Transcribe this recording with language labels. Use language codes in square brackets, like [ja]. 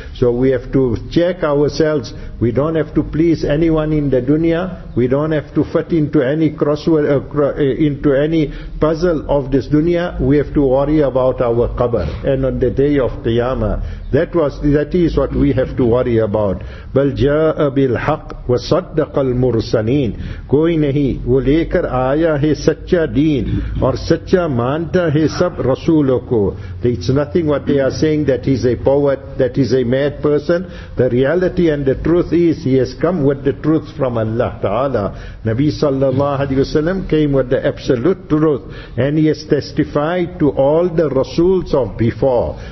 [en] So we have to check ourselves. We don't have to please anyone in the dunya. We don't have to fit into any crossword, into any puzzle of this dunya. We have to worry about our qabr and on the day of qiyamah. That is what we have to worry about. [ar] بَلْ جَاءَ بِالْحَقِّ وَصَدَّقَ الْمُرْسَلِينَ. [ur] کوئی نہیں وہ لے کر آیا ہے سچا دین اور سچا مانتا ہے سب رسول. rasuluku. [en] It's nothing what they are saying that he's a poet, that he's a mad person. The reality and the truth is he has come with the truth from Allah Ta'ala. Nabi sallallahu alayhi wasallam came with the absolute truth, and he has testified to all the rasuls of before.